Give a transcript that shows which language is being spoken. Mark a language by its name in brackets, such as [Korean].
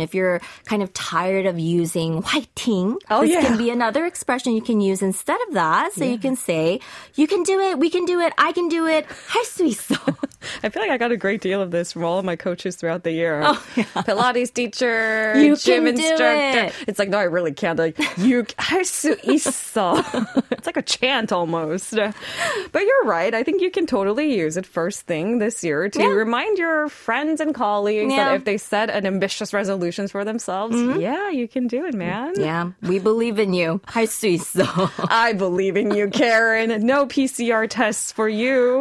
[English] If you're kind of tired of using 화이팅, can be another expression you can use instead of that. So you can say, you can do it. We can do it. I can do it. [Korean] 할 수 있어. [English] I feel like I got a great deal of this from all of my coaches throughout the year. Oh, yeah. Pilates teacher, you gym instructor. It's like, no, I really can't. Like, you, [Korean] 할 수 있어. [English] It's like a chant almost. But you're right. I think you can totally use it first thing this year to remind your friends and colleagues that if they set an ambitious resolution for themselves, you can do it, man. Yeah, we believe in you. [Korean] 할 수 있어. [English] I believe in you, Karen. No PCR tests for you.